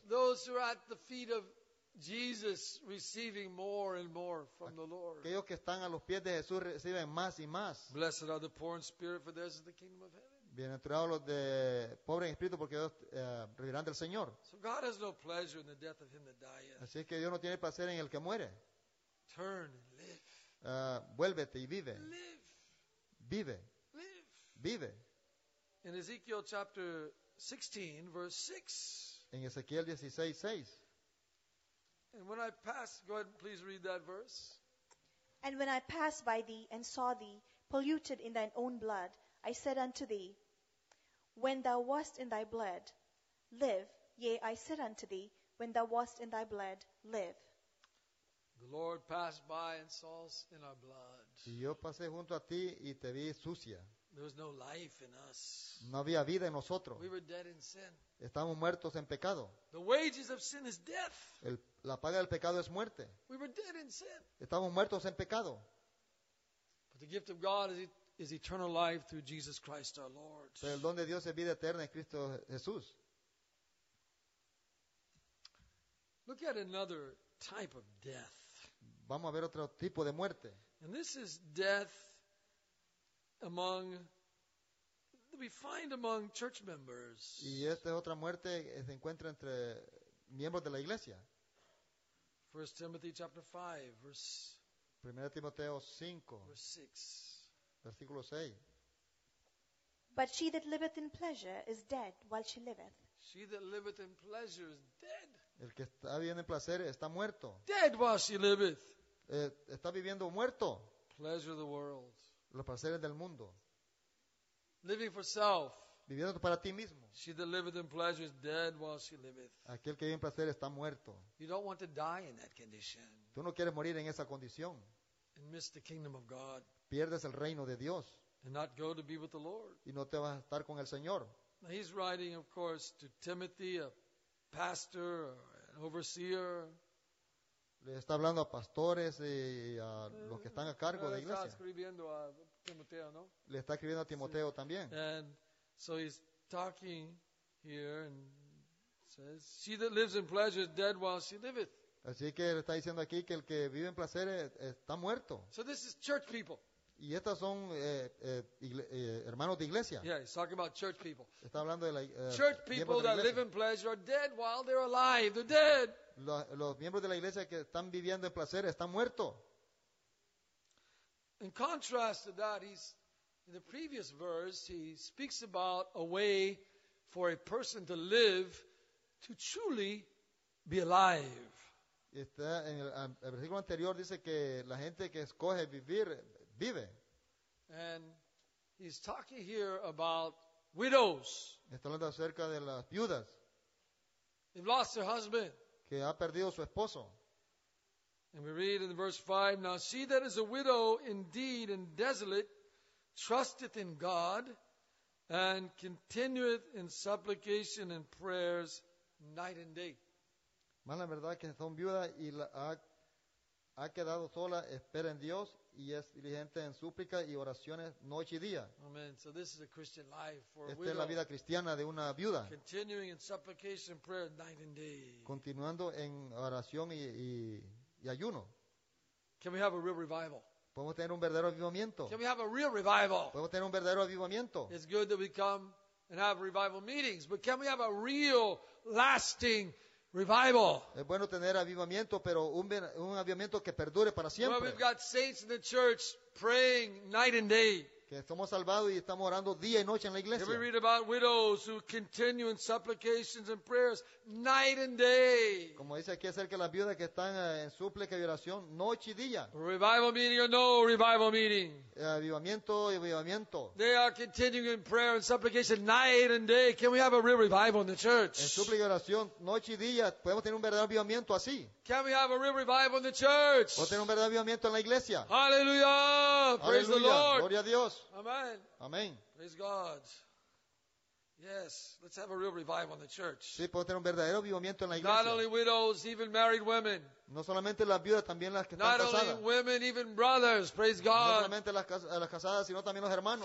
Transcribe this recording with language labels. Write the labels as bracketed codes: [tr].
[en] Those who are at the feet of Jesus receiving more and more from the Lord. [es] Aquellos que están a los pies de Jesús reciben más y más. [en] Blessed are the poor in spirit, for theirs is the kingdom of heaven. [es] Bienaventurados los de pobres en espíritu, porque ellos recibirán del Señor. [en] So God has no pleasure in the death of him that dieth. [es] Así es que Dios no tiene placer en el que muere. [en] Turn and live. [es] Vuélvete y vive. [en] Live. [es] Vive. [en] Live. [es] Vive. [en] In Ezekiel chapter 16, verse 6. [es] En Ezequiel 16, 6. [en] And when I pass, go ahead and please read that verse. And when I passed by thee and saw thee polluted in thine own blood, I said unto thee, when thou wast in thy blood, live. Yea, I said unto thee, when thou wast in thy blood, live. The Lord passed by and saw us in our blood. [es] Y yo pasé junto a ti y te vi sucia. [en] There was no life in us. [es] No había vida en nosotros. [en] We were dead in sin. [es] Estamos muertos en pecado. [en] The wages of sin is death. [es] La paga del pecado es muerte. [en] We were dead in sin. [es] Estamos muertos en pecado. [en] But the gift of God is eternal life through Jesus Christ our Lord. [es] Pero el don de Dios es vida eterna en Cristo Jesús. [en] Look at another type of death. [es] Vamos a ver otro tipo de muerte. [en] And this is death among, we find among church members. [es] Y esta es otra muerte que se encuentra entre miembros de la iglesia. [en] 1 Timothy chapter 5, verse [es] 1 Timoteo 5, [en] verse 6. [es] Versículo 6. [en] But she that liveth in pleasure is dead while she liveth. She that liveth in pleasure is dead. [es] El que está viviendo en placer está muerto. [en] Dead while she liveth. [es] Está viviendo muerto. [en] Pleasure of the world. [es] Los placeres del mundo. [en] Living for self. [es] Viviendo para ti mismo. [en] She that liveth in pleasure is dead while she liveth. [es] Aquel que vive en placer está muerto. [en] You don't want to die in that condition. [es] Tú no quieres morir en esa condición. [en] And miss the kingdom of God. [es] Pierdes el reino de Dios. [en] And not go to be with the Lord. [es] Y no te vas a estar con el Señor. [en] Now he's writing, of course, to Timothy, a pastor, an overseer. [es] Le está hablando a pastores y a los que están a cargo de iglesia. Le está escribiendo a Timoteo, ¿no? Le está escribiendo a Timoteo también. [en] And so he's talking here and says, she that lives in pleasure is dead while she liveth. [es] Así que le está diciendo aquí que el que vive en placer está muerto. [en] So this is church people. [es] Y estas son hermanos de iglesia. [en] Yeah, he's talking about church people. [es] Está hablando de la [en] church people that live in pleasure are dead while they're alive. They're dead. [es] Los miembros de la iglesia que están viviendo en placer están muertos. [en] In contrast to that, in the previous verse, he speaks about a way for a person to live to truly be alive. [es] Está en el versículo anterior dice que la gente que escoge vivir vive. [en] And he's talking here about widows. [es] Está hablando acerca de las viudas. [en] They've lost their husband. [es] Que ha perdido su esposo. [en] And we read in verse 5, now she that is a widow indeed and desolate trusteth in God and continueth in supplication and prayers night and day. [es] Más la verdad que son viudas y ha quedado sola, espera en Dios y es diligente en súplica y oraciones noche y día. Amen. [en] So this is a Christian life for a widow. [es] Esta es la vida cristiana de una viuda. [en] Continuing in supplication, prayer, night and day. [es] Continuando en oración y ayuno. [en] Can we have a real revival? [es] Podemos tener un verdadero avivamiento. [en] Can we have a real revival? [es] Podemos tener un verdadero avivamiento. [en] It's good that we come and have revival meetings, but can we have a real, lasting revival? [es] Es bueno tener avivamiento, pero un avivamiento que perdure para siempre. [en] Well, we've got saints in the church praying night and day. [es] Que somos salvados y estamos orando día y noche en la iglesia. [en] Can we read about widows who continue in supplications and prayers night and day? [es] Como dice aquí acerca de las viudas que están en súplica y oración noche y día. [en] Revival meeting or no revival meeting? [es] Avivamiento y avivamiento. [en] They are continuing in prayer and supplication night and day. Can we have a real revival in the church? [es] En súplica y oración noche y día podemos tener un verdadero avivamiento así. [en] Can we have a real revival in the church? [es] Podemos tener un verdadero avivamiento en la iglesia. [en] Hallelujah! Praise the Lord. [es] Gloria a Dios. Amen. Amen. [en] Praise God. Yes, let's have a real revival in the church. [es] Sí, podemos tener un verdadero avivamiento en la iglesia. [en] Not only widows, even married women. [es] No solamente las viudas, también las que están [en] not [es] casadas. [en] Not only women, even brothers. Praise God. [es] No solamente las casadas, sino también los hermanos.